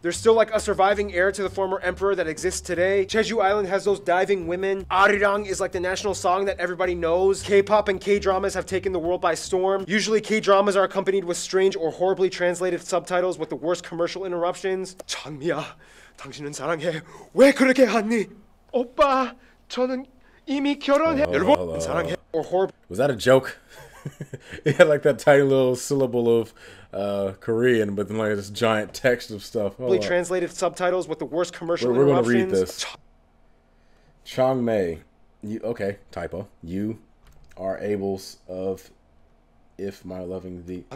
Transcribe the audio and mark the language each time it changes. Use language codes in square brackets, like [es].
[en] There's still like a surviving heir to the former emperor that exists today. Jeju Island has those diving women. Arirang is like the national song that everybody knows. K-pop and K-dramas have taken the world by storm. Usually K-dramas are accompanied with strange or horribly translated subtitles with the worst commercial interruptions. [ko] 장미야, 당신은 사랑해. 왜 그렇게 하니? 오빠, 저는 이미 결혼해. 여러분, 사랑해. [en] or horrible. Was that a joke? It had like that tiny little syllable of Korean, but then like this giant text of stuff. Hold translated subtitles with the worst commercial interruptions. We're going to read this. Chong Mei. You, okay, typo. You are ables of if my loving thee.